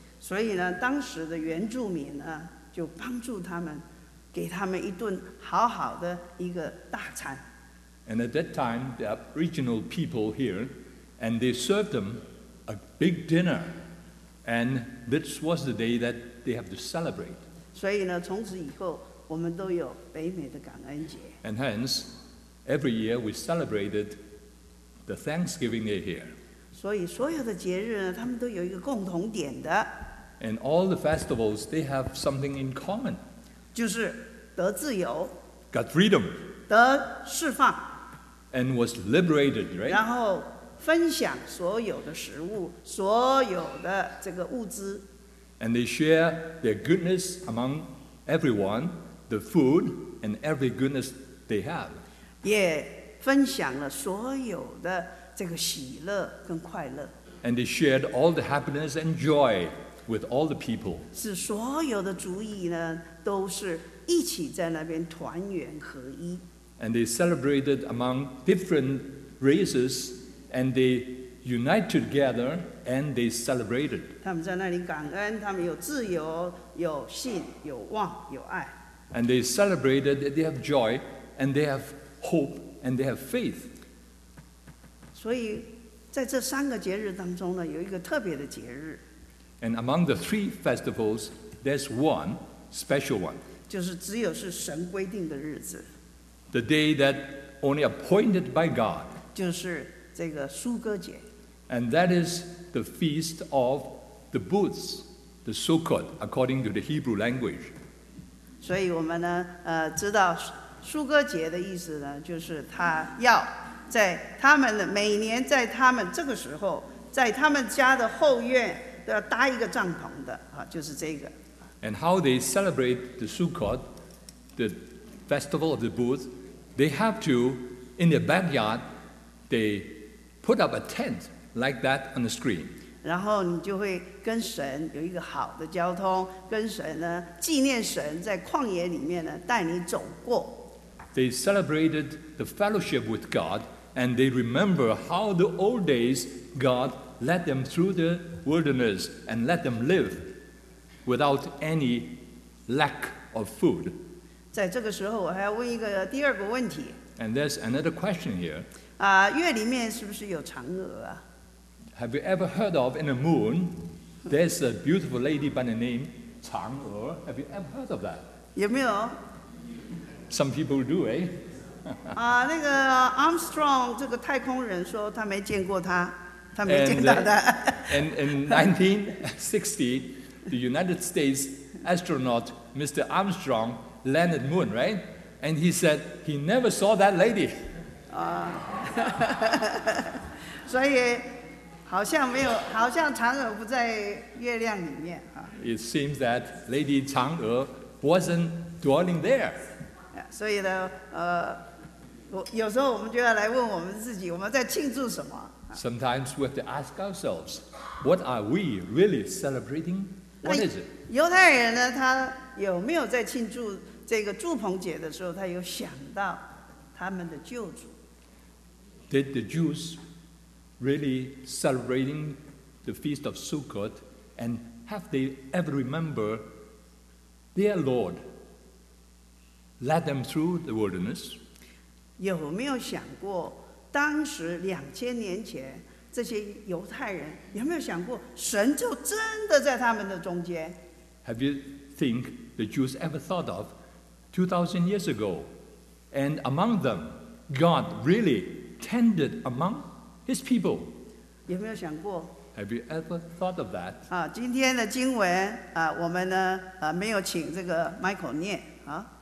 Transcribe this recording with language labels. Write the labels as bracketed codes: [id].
[zh] 所以呢，当时的原住民呢就帮助他们。给他们一顿好好的一个大餐。 [en] And at that time, the Aboriginal people here, and they served them a big dinner, and this was the day that they have to celebrate. [zh] 所以呢，从此以后，我们都有北美的感恩节。 [en] And hence, every year we celebrated the Thanksgiving Day here. [zh] 所以所有的节日呢，他们都有一个共同点的。 [en] And all the festivals, they have something in common. [zh] 就是得自由 [en] got freedom, [zh] 得释放 [en] and was liberated, right? [zh] 然后分享所有的食物，所有的这个物资 [en] and they share their goodness among everyone, the food and every goodness they have. [zh] 也分享了所有的这个喜乐跟快乐 [en] and they shared all the happiness and joy with all the people. [zh] 是所有的主意呢都是一起在那边团圆合一。 [en] And they celebrated among different races, and they united together, and they celebrated. [zh] 他们在那里感恩，他们有自由，有信，有望，有爱。 [en] And they celebrated that they have joy, and they have hope, and they have faith. [zh] 所以，在这三个节日当中呢，有一个特别的节日。 [en] And among the three festivals, there's one. Special one. [zh] 就是只有是神规定的日子。 [en] The day that only appointed by God. [zh] 就是这个苏哥节。 [en] And that is the feast of the booths, the Sukkot, according to the Hebrew language. [zh] 所以我们呢，知道苏哥节的意思呢，就是他要在他们的每年在他们这个时候，在他们家的后院都要搭一个帐篷的啊，就是这个。 [en] And how they celebrate the Sukkot, the festival of the booths, they have to, in their backyard, they put up a tent like that on the screen. [zh] 然后你就会跟神有一个好的交通，跟神呢纪念神在旷野里面呢带你走过。 [en] They celebrated the fellowship with God, and they remember how the old days God led them through the wilderness and let them live. Without any lack of food. [zh] 在这个时候，我还要问一个第二个问题。 [en] And there's another question here. [zh] 啊，月里面是不是有嫦娥啊？ [en] Have you ever heard of in the moon? There's a beautiful lady by the name 嫦娥. Have you ever heard of that? [zh] 有没有？ [en] Some people do, eh? [zh] 啊，那个 Armstrong 这个太空人说他没见过她，他没见到她。 [en] And in 1960. The United States astronaut, Mr. Armstrong, landed moon, right? And he said he never saw that lady. [zh] 所以好像没有，好像嫦娥不在月亮里面啊。 [en] It seems that Lady 嫦娥 wasn't dwelling there. [zh] 所以呢，有时候我们就要来问我们自己，我们在庆祝什么？ [en] Sometimes we have to ask ourselves, what are we really celebrating? What is it? [zh] 犹太人呢？他有没有在庆祝这个祝棚节的时候，他有想到他们的救主 [en] ？Did the Jews really celebrating the feast of Sukkot, and have they ever remember their Lord, led them through the wilderness. [zh] 有没有想过，当时两千年前这些犹太人有没有想过，神就真的在他们的中间 [en] ？Have you think the Jews ever thought of 2,000 years ago, and among them, God really tended among His people? [zh] 有没有想过 [en] ？Have you ever thought of that? [zh] 啊，今天的经文啊，我们呢啊没有请这个 Michael 念啊。